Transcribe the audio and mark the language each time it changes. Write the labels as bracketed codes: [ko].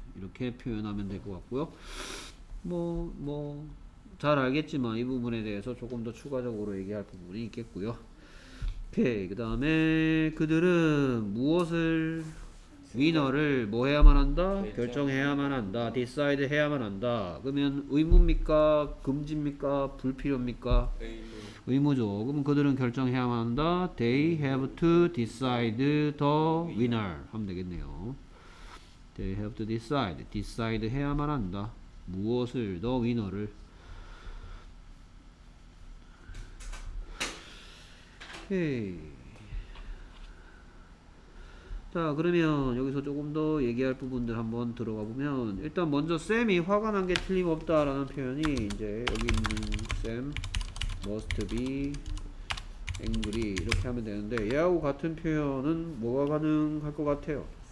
[ko] 이렇게 표현하면 될 것 같고요. 뭐 잘 알겠지만 이 부분에 대해서 조금 더 추가적으로 얘기할 부분이 있겠고요. 오케이. 그 다음에 그들은 무엇을 위너를 뭐 해야만 한다? 결정해야만 한다. 디사이드 해야만 한다. 그러면 의무입니까? 금지입니까? 불필요입니까? 의무죠. 그럼 그들은 결정해야만 한다. [en] They have to decide the winner [ko] 하면 되겠네요. [en] They have to decide. Decide [ko] 해야만 한다. 무엇을 더 위너를 오케이. 자 그러면 여기서 조금 더 얘기할 부분들 한번 들어가 보면 일단 먼저 샘이 화가 난 게 틀림없다 라는 표현이 이제 여기 있는 샘 [en] must be angry [ko] 이렇게 하면 되는데 얘하고 같은 표현은 뭐가 가능할 것 같아요?